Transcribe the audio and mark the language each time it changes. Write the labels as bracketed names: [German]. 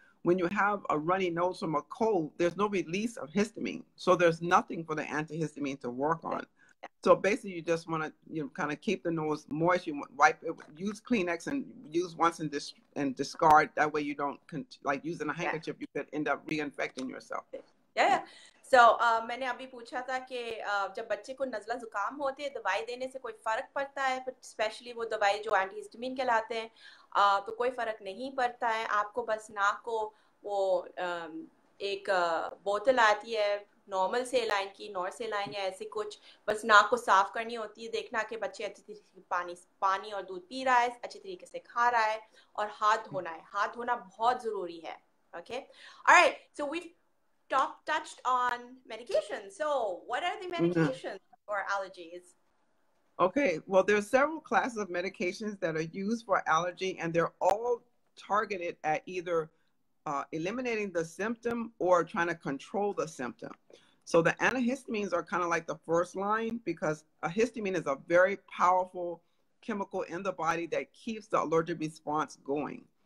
[English] When you have a runny nose from a cold, there's no release of histamine. So there's nothing for the antihistamine to work on. So basically you just want to, you know, kind of keep the nose moist, you wipe it, use Kleenex and use once and discard. That way you don't, like using a handkerchief, you could end up reinfecting yourself. Yeah. [Hindi] So, मैंने अभी पूछा था कि जब बच्चे को नज़ला जुकाम होते हैं दवाई देने से कोई फर्क पड़ता है [English] but specially [Hindi] वो दवाई जो एंटीहिस्टामिन कहलाते हैं तो कोई फर्क नहीं पड़ता है आपको बस नाक को वो एक बोतल आती है नॉर्मल सेलाइन की नॉर्सेलाइन या ऐसे कुछ बस नाक को साफ करनी होती है देखना कि बच्चे अच्छे तरीके से पानी और दूध पी रहा है अच्छे तरीके से खा रहा है और हाथ धोना है हाथ धोना बहुत जरूरी है [English] Okay alright so we touched on medication. So what are the medications for allergies? Okay, well, there are several classes of medications that are used for allergy, and they're all targeted at either eliminating the symptom or trying to control the symptom. So the antihistamines are kind of like the first line because a histamine is a very powerful chemical in the body that keeps the allergic response going.